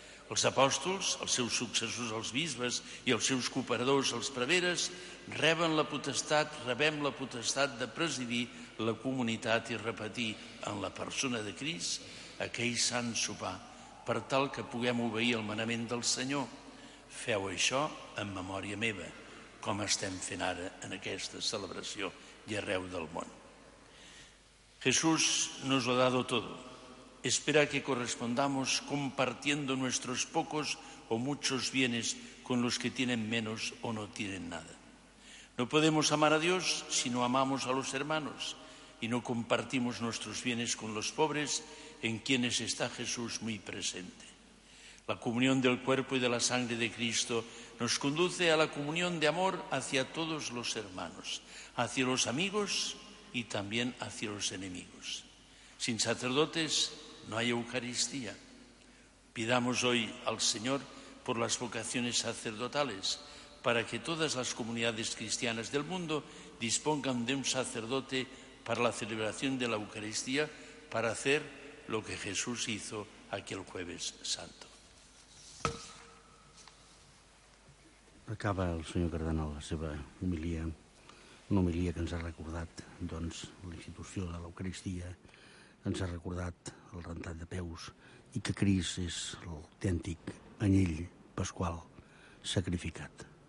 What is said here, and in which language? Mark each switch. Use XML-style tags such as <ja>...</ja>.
<ca>Els apòstols, els seus successors, els bisbes, i els seus cooperadors, els preveres, rebem la potestat de presidir la comunitat i repetir en la persona de Crist aquell sant sopar, per tal que puguem obeir el manament del Senyor: «Feu això en memòria meva», com estem fent ara en aquesta celebració i arreu del món.</ca> <es>Jesús nos lo ha dado todo. Espera que correspondamos compartiendo nuestros pocos o muchos bienes con los que tienen menos o no tienen nada. No podemos amar a Dios si no amamos a los hermanos y no compartimos nuestros bienes con los pobres, en quienes está Jesús muy presente. La comunión del cuerpo y de la sangre de Cristo nos conduce a la comunión de amor hacia todos los hermanos, hacia los amigos y también hacia los enemigos. Sin sacerdotes no hay Eucaristía. Pidamos hoy al Señor por las vocaciones sacerdotales, para que todas las comunidades cristianas del mundo dispongan de un sacerdote para la celebración de la Eucaristía, para hacer lo que Jesús hizo aquel Jueves Santo.</es> <ca>Acaba el senyor cardenal la seva homilia, una homilia que ens ha recordat doncs, la institució de l'Eucaristia, ens ha recordat el rentat de peus i que Crist és l'autèntic anyell pasqual sacrificat.</ca>